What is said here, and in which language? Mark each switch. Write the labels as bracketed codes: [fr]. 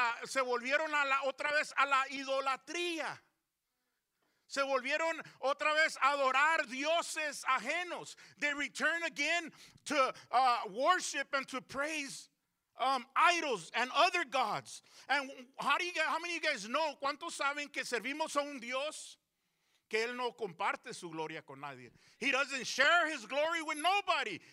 [es] Se volvieron otra vez a la idolatría. Se volvieron otra vez a adorar dioses ajenos. [en] They return again to worship and to praise idols and other gods. And how many of you guys know? [es] ¿Cuántos saben que servimos a un Dios que él no comparte su gloria con nadie? [en] He doesn't share his glory with nobody.